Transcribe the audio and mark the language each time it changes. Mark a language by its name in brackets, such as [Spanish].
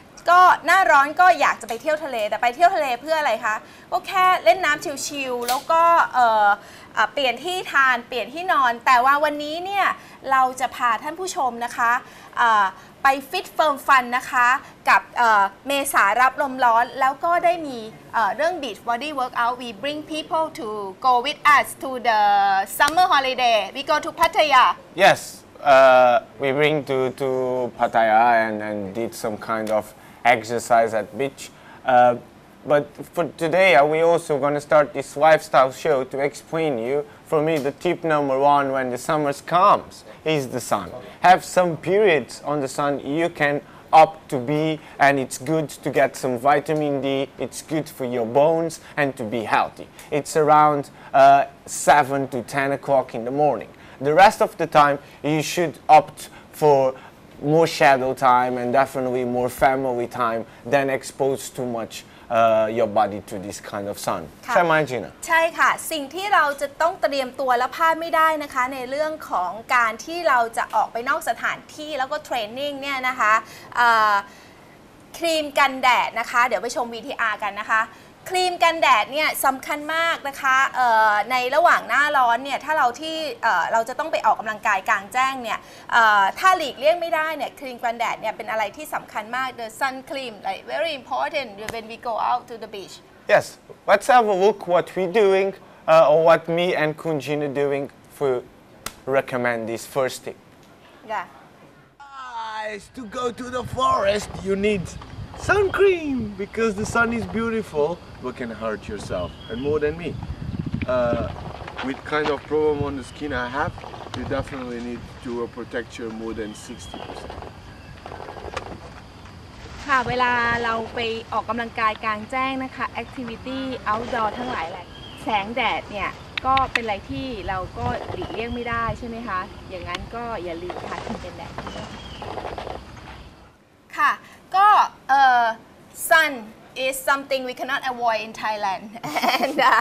[Thai] ก็หน้าร้อนก็อยากจะไปเที่ยวทะเลแต่ไปเที่ยวทะเลเพื่ออะไรคะก็แค่เล่นน้ำชิลๆแล้วก็เปลี่ยนที่ทานเปลี่ยนที่นอนแต่ว่าวันนี้เนี่ยเราจะพาท่านผู้ชมนะคะไปฟิตเฟิร์มฟันนะคะกับเมษารับลมร้อนแล้วก็ได้มีเรื่อง [English] Beach Body Workout We bring people to go with us to the summer holiday We go to Pattaya Yes we bring to Pattaya and did some kind of exercise at beach But for today, we also going to start this lifestyle show to explain you. For me, the tip number one when the summer comes is the sun. Have some periods on the sun you can opt to be, and it's good to get some vitamin D. It's good for your bones and to be healthy. It's around 7 to 10 o'clock in the morning. The rest of the time, you should opt for more shadow time and definitely more family time than exposed too much. Your body to this kind of sun. [Thai] ใช่ไหมจีน่า ใช่ค่ะสิ่งที่เราจะต้องเตรียมตัวและพลาดไม่ได้นะคะในเรื่องของการที่เราจะออกไปนอกสถานที่แล้วก็เทรนนิ่งเนี่ยนะคะครีมกันแดดนะคะเดี๋ยวไปชม VTR กันนะคะครีมกันแดดเนี่ยสำคัญมากนะคะในระหว่างหน้าร้อนเนี่ยถ้าเราที่เราจะต้องไปออกกำลังกายกลางแจ้งเนี่ยถ้าหลีกเลี่ยงไม่ได้เนี่ยครีมกันแดดเนี่ยเป็นอะไรที่สำคัญมาก [English] the sun cream like very important when we go out to the beach yes let's have a look what we doing or what me and Kun Jin are doing for recommend this first tip yeah guys to go to the forest you needSun cream, because the sun is beautiful, but can hurt yourself, and more than me. With kind of problem on the skin I have, you definitely need to protect your more than 60%. [Thai] ค่ะเวลาเราไปออกกำลังกายกลางแจ้งนะคะ [English] activity outdoor [Thai] ทั้งหลายแหละแสงแดดเนี่ยก็เป็นอะไรที่เราก็หลีกเลี่ยงไม่ได้ใช่ไหมคะอย่างนั้นก็อย่าลืมทาครีมกันแดดค่ะก็ [English] sun is something we cannot avoid in Thailand and